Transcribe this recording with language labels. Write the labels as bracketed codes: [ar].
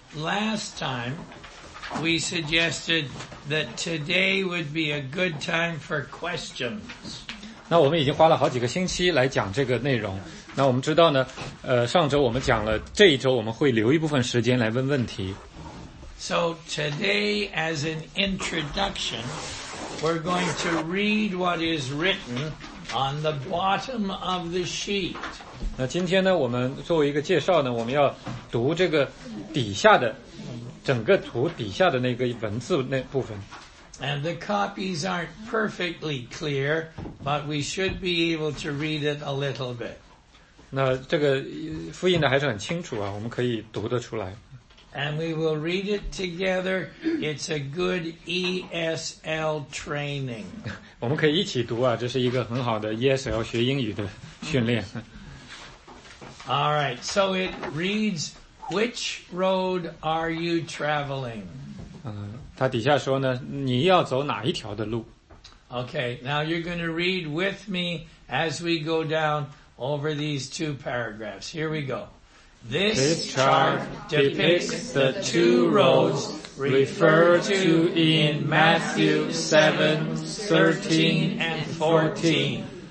[en] Last time, we suggested that today would be a good time for questions. [zh] 那我们已经花了好几个星期来讲这个内容。那我们知道呢，上周我们讲了，这一周我们会留一部分时间来问问题。 [en] So today, as an introduction, we're going to read what is written on the bottom of the sheet. [zh] 那今天呢，我们作为一个介绍呢，我们要读这个底下的整个图底下的那个文字那部分。 [en] And the copies aren't perfectly clear, but we should be able to read it a little bit. [zh] 那这个复印的还是很清楚啊，我们可以读得出来。 [en] And we will read it together. It's a good ESL training. [zh] 我们可以一起读啊，这是一个很好的 ESL 学英语的训练。 [en] All right, so it reads, which road are you traveling? [zh] 它底下说呢，你要走哪一条的路？ [en] Okay, now you're going to read with me as we go down over these two paragraphs. Here we go. This chart depicts the two roads referred to in Matthew 7, 13, and 14.